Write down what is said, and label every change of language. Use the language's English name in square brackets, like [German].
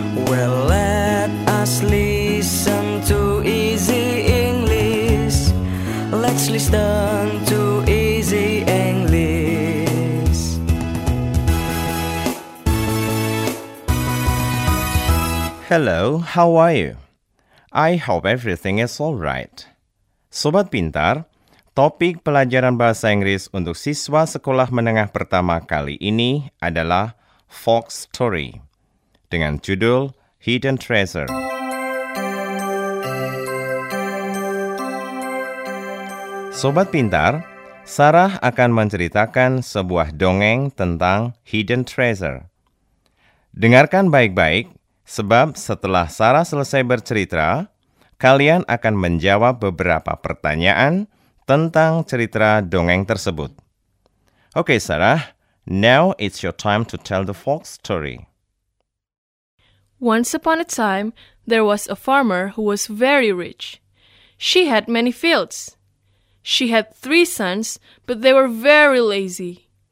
[English] Well, let us listen to Easy English. Let's listen to Easy English. Hello, how are you? I hope everything is all right. [Indonesian] Sobat Pintar, topik pelajaran bahasa Inggris untuk siswa sekolah menengah pertama kali ini adalah Fox Story dengan judul Hidden Treasure. Sobat Pintar, Sarah akan menceritakan sebuah dongeng tentang Hidden Treasure. Dengarkan baik-baik, sebab setelah Sarah selesai bercerita, kalian akan menjawab beberapa pertanyaan tentang cerita dongeng tersebut. [English] Oke, Sarah, now it's your time to tell the fox story. Once upon a time, there was a farmer who was very rich. She had many fields. She had three sons, but they were very lazy.